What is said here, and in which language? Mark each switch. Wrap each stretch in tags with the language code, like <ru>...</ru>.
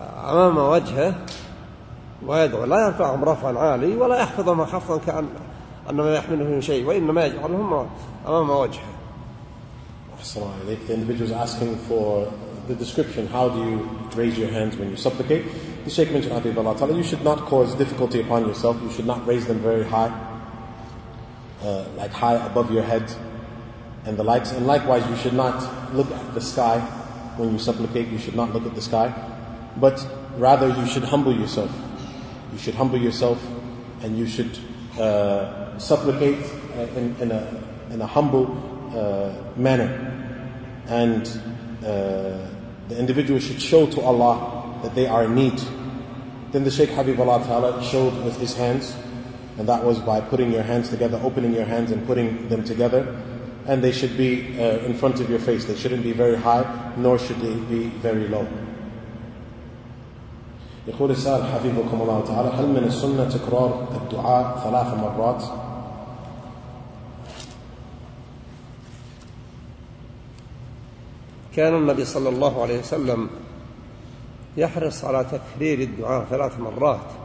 <ar>أمام وجهه ويدعو، لا يرفعهم رفعا عالي ولا يخفضهما خفضا كأنما يحمله من شيء، وإنما يجعلهما أمام وجهه. أحسن عليك.</ar> <en>The individual is asking for the description, how do you raise your hands when you supplicate? The Shaykh mentioned, Habib Allah Ta'ala, you should not cause difficulty upon yourself, you should not raise them very high, like high above your head and the likes, and likewise you should not look at the sky when you supplicate, you should not look at the sky, but rather you should humble yourself. You should humble yourself and you should supplicate in a humble manner, and the individual should show to Allah that they are in need. Then the Shaykh Habibullah Ta'ala showed with his hands, and that was by putting your hands together, opening your hands and putting them together, and they should be in front of your face. They shouldn't be very high, nor should they be very low.</en> <ar>يقول السائل حفظكم الله تعالى هل من السنة تكرار الدعاء ثلاث مرات؟ كان النبي صلى الله عليه وسلم يحرص على تكرير الدعاء ثلاث مرات،</ar>